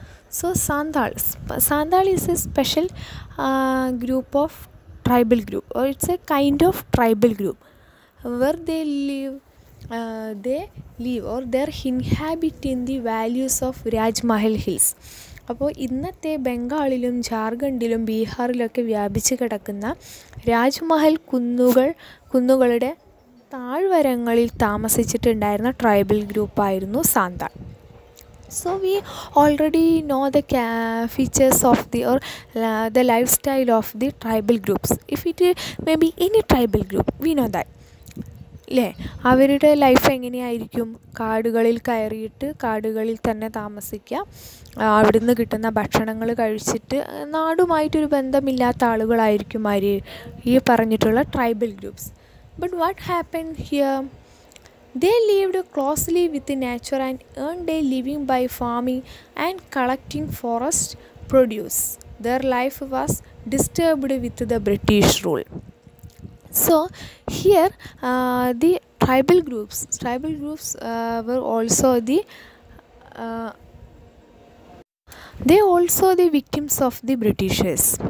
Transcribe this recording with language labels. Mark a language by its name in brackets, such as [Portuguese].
[English] So Sandal is a special group of tribal group, or it's a kind of tribal group. Where they live or they're inhabiting the valleys of Rajmahal Hills. [Malayalam] അപ്പോൾ ഇന്നത്തെ ബംഗാളിലും ജാർഖണ്ഡിലും ബീഹാറിലൊക്കെ വ്യാപിച്ച് കിടക്കുന്ന Rajmahal കുന്നുകളുടെ താഴ്വരങ്ങളിൽ താമസിച്ചിട്ടുണ്ടായിരുന്ന tribal ഗ്രൂപ്പായിരുന്നു Santhal. [English] So we already know the features of the or the lifestyle of the tribal groups. If it may be any tribal group, we know that. [Malayalam] ഇല്ലേ, അവരുടെ life എങ്ങനെയായിരിക്കും? കാടുകളിൽ കയറിയിട്ട് കാടുകളിൽ തന്നെ താമസിക്കുക, അവിടുന്ന് കിട്ടുന്ന ഭക്ഷണങ്ങൾ കഴിച്ചിട്ട് നാടുമായിട്ടൊരു ബന്ധമില്ലാത്ത ആളുകളായിരിക്കും അവർ, ഈ പറഞ്ഞിട്ടുള്ള tribal groups. [English] But what happen here? They lived closely with nature and earned a living by farming and collecting forest produce. Their life was disturbed with the British rule. So here the tribal groups were also the victims of the Britishers.